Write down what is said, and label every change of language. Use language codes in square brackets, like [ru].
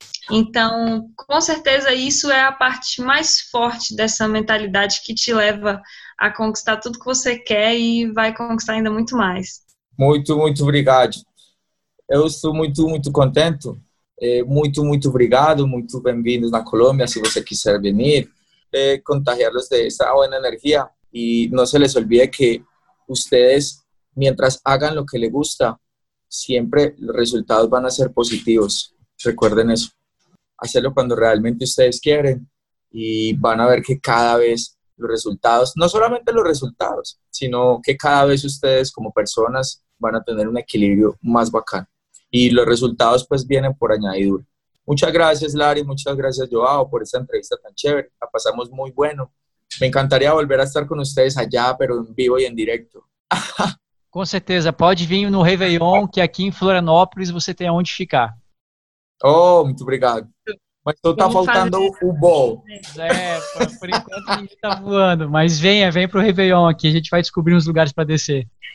[pt] Então, com certeza, isso é a parte mais forte dessa mentalidade que te leva a conquistar tudo que você quer e vai conquistar ainda muito mais. Muito, muito obrigado. Eu estou muito, muito contente. Muito, muito obrigado. Muito bem-vindo na Colômbia, se você quiser vir. [es] Contagiarlos de esa buena energía y no se les olvide que ustedes, mientras hagan lo que les gusta, siempre los resultados van a ser positivos. Recuerden eso. Hacerlo cuando realmente ustedes quieren y van a ver que cada vez los resultados, no solamente los resultados, sino que cada vez ustedes como personas van a tener un equilibrio más bacán. Y los resultados pues vienen por añadidura. Muchas gracias, Lari. Muchas gracias, Joao, por esta entrevista tan chévere. La pasamos muy bueno. Me encantaría volver a estar con ustedes allá, pero en vivo y en directo. [pt] Con certeza. Pode vir no Réveillon, que aquí en Florianópolis você tem onde ficar. Oh, muito obrigado. Mas então tá faltando o voo. Por enquanto ninguém tá voando. Mas vem pro Réveillon aqui. A gente vai descobrir uns lugares para descer.